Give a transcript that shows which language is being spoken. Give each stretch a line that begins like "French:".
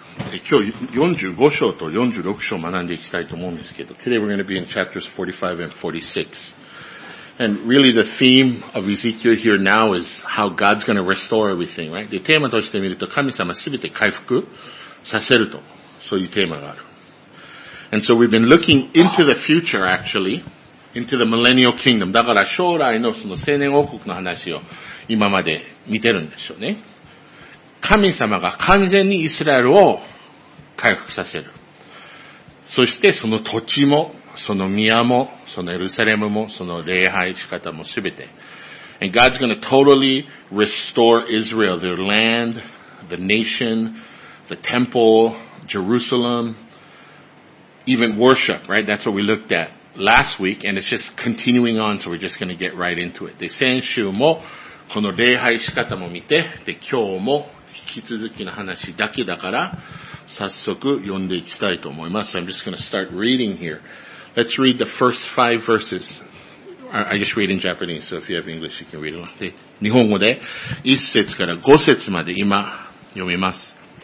Japanese: で今日45章と46章を学んでいきたいと思うんですけど。
English: Today we're going to be in chapters 45 and 46. And really the theme of Ezekiel here now is how God's going to restore everything, right?
Japanese: で、テーマとして見ると神様すべて回復させると、そういうテーマがある。
English: And so we've been looking into the future actually, into the millennial kingdom.
Japanese: だから将来のその千年王国の話を今まで見てるんでしょうね。神様が完全にイスラエルを回復させる。そしてその土地も、その宮も、そのエルサレムも、その礼拝仕方もすべて。
English: And God's going to totally restore Israel, their land, the nation, the temple, Jerusalem, even worship, right? That's what we looked at last week, and it's just continuing on, so we're just going to get right into it.
Japanese: で、先週もこの礼拝仕方も見て、で、今日も引き続きの話だけだから、早速読んでいきたいと思います。
English: So、I'm just going to start reading here. Let's read the first five verses. I just read in Japanese, so if you have English, you can read along.
Japanese: 日本語で、一節から五節まで今読みます。